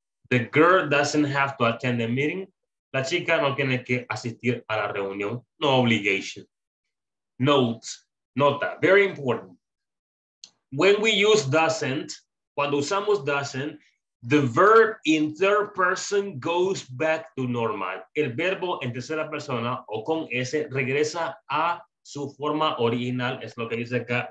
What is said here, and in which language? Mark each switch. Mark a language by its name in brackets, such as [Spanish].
[English] The girl doesn't have to attend the meeting. [Spanish] La chica no tiene que asistir a la reunión. [English] No obligation. Notes. Nota. Very important. When we use doesn't, [Spanish] cuando usamos [English] doesn't, the verb in third person goes back to normal. [Spanish] El verbo en tercera persona o con S regresa a su forma original, es lo que dice acá.